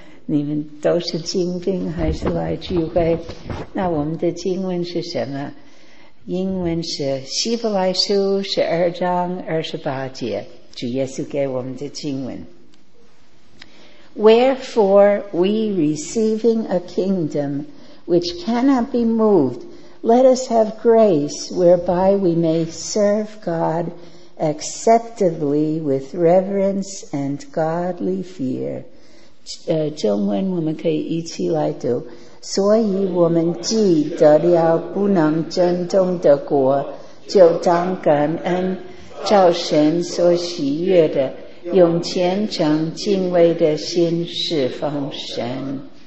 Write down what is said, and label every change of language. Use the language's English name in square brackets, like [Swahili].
[Chinese] 你们都是精兵还是来聚会？那我们的经文是什么？英文是希伯来书12:28，主耶稣给我们的经文。 [English] Wherefore we receiving a kingdom which cannot be movedLet us have grace whereby we may serve God acceptably with reverence and godly fear. [Chinese] 中文我们可以一起来读。所以我们既得了不能震动的国，就当感恩照神所喜悦的，用虔诚敬畏的心侍奉神。